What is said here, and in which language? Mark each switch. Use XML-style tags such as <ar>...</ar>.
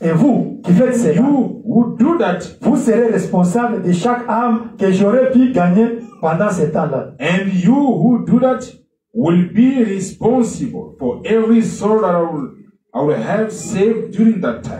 <fr>Et vous, qui faites cela,</fr> <en>you who do that,</en> <fr>vous serez responsable de chaque âme que j'aurais pu gagner pendant ce temps-là.</fr> <en>And you who do that will be responsible for every soul that I will have saved during that time.</en>